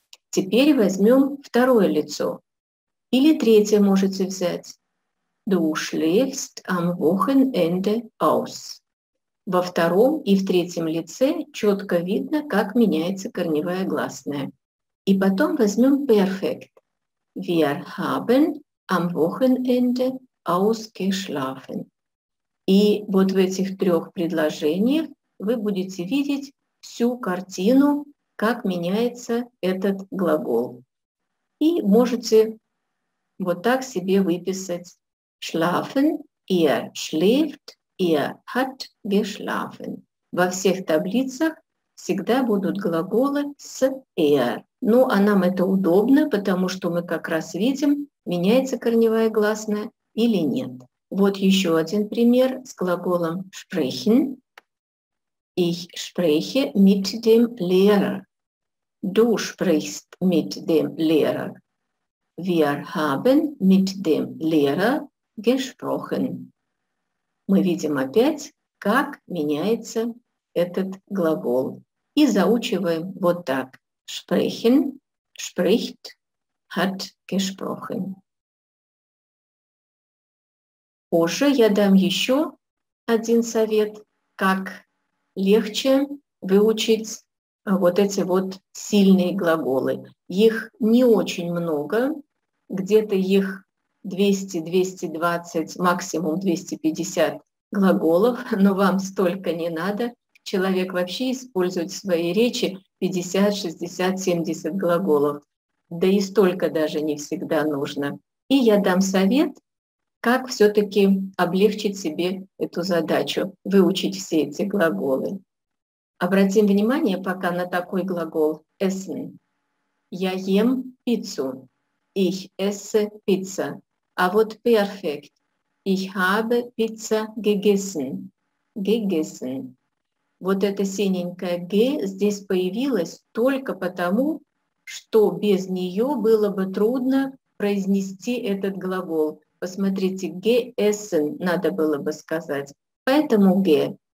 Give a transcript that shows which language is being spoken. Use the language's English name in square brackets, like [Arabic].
[Russian] Теперь возьмем второе лицо. Или третье можете взять. [German] «Du schläfst am Wochenende aus». [Russian] Во втором и в третьем лице четко видно, как меняется корневая гласная. И потом возьмем перфект. [German] Wir haben am Wochenende ausgeschlafen. [Russian] И вот в этих трех предложениях вы будете видеть всю картину, как меняется этот глагол. И можете вот так себе выписать [German] schlafen, ihr schläft. Ihr hat geschlafen. [Russian] Во всех таблицах всегда будут глаголы с er. Ну, а нам это удобно, потому что мы как раз видим, меняется корневая гласная или нет. Вот еще один пример с глаголом sprechen. [German] Ich spreche mit dem Lehrer. Du sprichst mit dem Lehrer. Wir haben mit dem Lehrer gesprochen. [Russian] Мы видим опять, как меняется этот глагол. И заучиваем вот так. [German] Sprechen, spricht, hat gesprochen. [Russian] Позже я дам еще один совет, как легче выучить вот эти вот сильные глаголы. Их не очень много, где-то их 200-220, максимум 250 глаголов, но вам столько не надо. Человек вообще использует в своей речи 50, 60, 70 глаголов. Да и столько даже не всегда нужно. И я дам совет, как все-таки облегчить себе эту задачу, выучить все эти глаголы. Обратим внимание пока на такой глагол «essen». Я ем пиццу. [German] Ich esse Pizza. [Russian] А вот «perfect». [German] Ich habe Pizza gegessen. Gegessen. [Russian] Вот это синенькое «g» здесь появилось только потому, что без нее было бы трудно произнести этот глагол. Посмотрите, «gessen» надо было бы сказать. Поэтому «g».